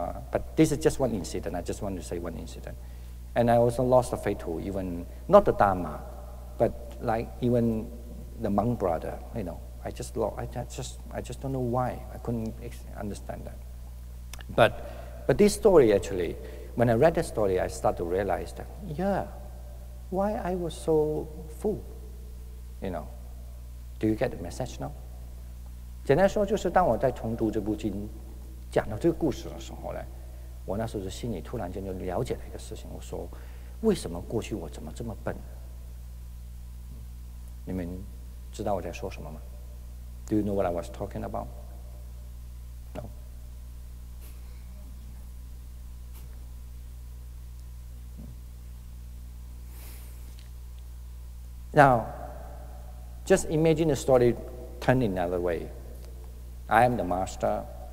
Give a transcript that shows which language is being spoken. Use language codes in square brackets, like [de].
[en] But this is just one incident. I just want to say one incident. And I also lost the faith to even, not the Dharma, but like even the monk brother, you know. I just don't know why. I couldn't understand that. But this story actually, when I read the story, I started to realize that, yeah, why I was so fool, you know. Do you get the message now? [zh] 简单说就是当我在重读这部经, 讲到这个故事的时候呢，我那时候心里突然间就了解了一个事情。我说，为什么过去我怎么这么笨？你们知道我在说什么吗？ [en] Do you know what I was talking about? No. Now, just imagine the story turning another way. I am the master.